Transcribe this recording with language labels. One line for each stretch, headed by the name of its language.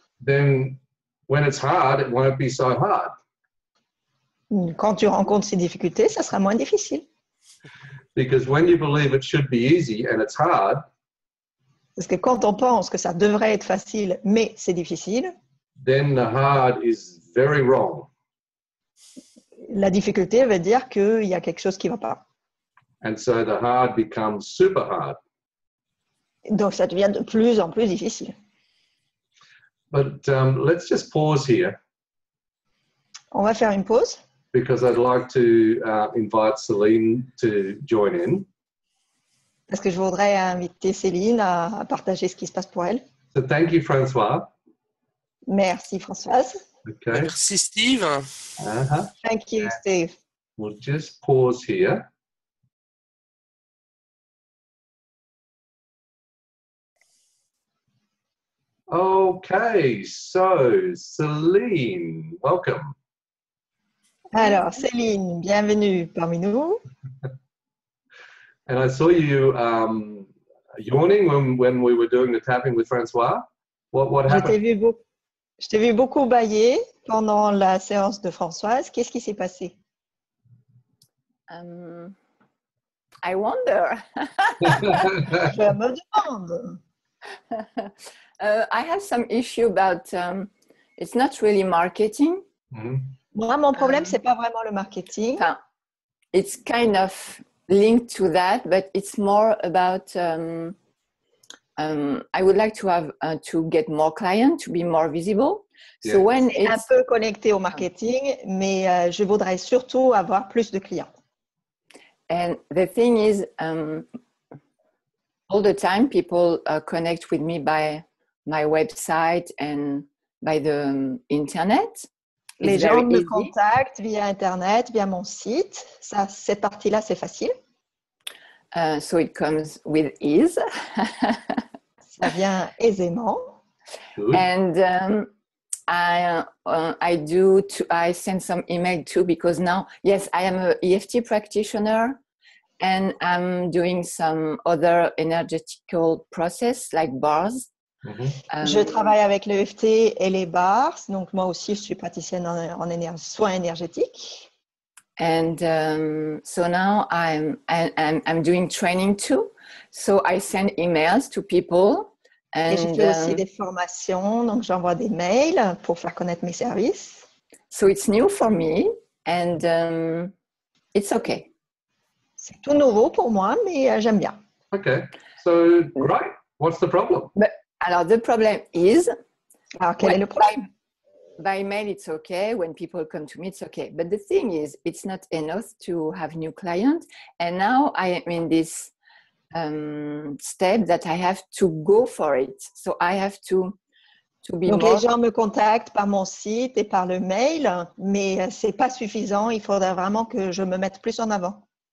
English: then when it's hard, it won't be so hard.
French: Quand tu rencontres ces difficultés, ça sera moins difficile.
English: Because when you believe it should be easy and it's hard,
French: parce que quand on pense que ça devrait être facile, mais c'est difficile,
English: then the hard is very wrong.
French: La difficulté veut dire qu'il y a quelque chose qui ne va pas.
English: And so the hard becomes super hard.
French: Donc, ça devient de plus en plus difficile.
English: But let's just pause here.
French: On va faire une pause.
English: Because I'd like to invite Céline to join in.
French: Parce que je voudrais inviter Céline à partager ce qui se passe pour elle.
English: So thank you, François.
French: Merci, Françoise. Okay. Merci, Steve. Uh-huh.
English: Thank you, Steve. We'll just pause here. Okay, so Céline, welcome.
French: Alors, Céline, bienvenue parmi nous.
English: And I saw you yawning when we were doing the tapping with François. What happened?
French: Je t'ai vu beaucoup bâiller pendant la séance de Françoise. Qu'est-ce qui s'est passé?
English: I wonder.
French: Je me demande.
English: I have some issue about it's not really marketing. Mm-hmm.
French: Moi, mon problème, c'est pas vraiment le marketing.
English: It's kind of linked to that, but it's more about I would like to have to get more clients, to be more visible. Yes. So when
French: c'est
English: it's
French: un peu connecté au marketing, mais je voudrais surtout avoir plus de clients.
English: And the thing is, all the time, people connect with me by my website and by the internet.
French: Les gens me contactent via internet, via mon site. Ça, cette partie-là, c'est facile.
English: So it comes with ease.
French: Ça vient aisément.
English: And I send some email too because now, yes, I am an EFT practitioner. And I'm doing some other energetical process like bars.
French: Mm-hmm. Je travaille avec l'EFT et les bars. Donc moi aussi, je suis praticienne en soins énergétiques.
English: And so now I'm doing training too. So I send emails to people. And,
French: et je fais aussi des formations. Donc j'envoie des mails pour faire connaître mes services.
English: So it's new for me, and it's okay.
French: C'est tout nouveau pour moi, mais j'aime bien.
English: OK. So, great. What's the problem?
French: Quel est le problème?
English: By mail, it's OK. When people come to me, it's OK. But the thing is, it's not enough to have new clients. And now I am in this step that I have to go for it. So, I have to be donc, more...
French: Les gens me contactent par mon site et par le mail, mais ce n'est pas suffisant. Il faudrait vraiment que je me mette plus en avant.